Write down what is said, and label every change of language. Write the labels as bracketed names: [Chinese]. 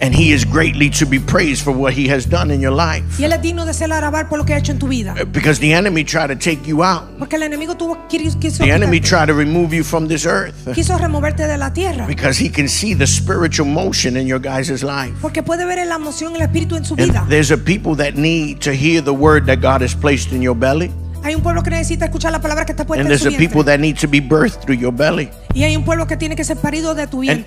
[English] And he is greatly to be praised for what he has done in your life. [Spanish] Y él es digno de ser alabado por lo que ha hecho en tu vida. [English] Because the enemy tried to take you out. [Spanish] Porque el enemigo tuvo [English] The enemy tried to remove you from this earth. [Spanish] Quiso removerte de la tierra. [English] Because he can see the spiritual motion in your guys' life. [Spanish] Porque puede ver la emoción, el espíritu en su [English] And There's a people that need to hear the word that God has placed in your belly. [Spanish] Hay un pueblo que necesita escuchar la palabra que está puesta [English] And [Spanish] en su vientre. [English] There's a people that need to be birthed through your belly. [Spanish] Y hay un pueblo que tiene que ser parido de tu vientre.